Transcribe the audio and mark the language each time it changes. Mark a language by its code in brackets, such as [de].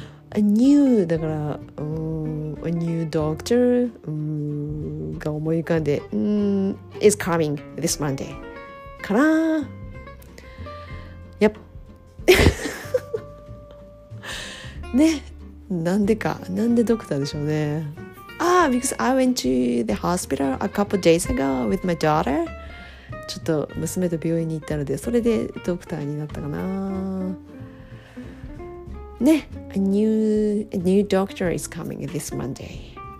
[en] A new, [ja] だから、 [en] a new doctor [ja] が思い浮かんで、 [en] is coming this Monday. [ja] かな? [en] Yep. [ja] ね、なんでか。なんでドクターでしょうね。 [en] Ah, because I went to the hospital a couple days ago with my daughter. [ja] ちょっと娘と病院に行ったので、それでドクターになったかな。 [en] ね、a new doctor is coming this Monday.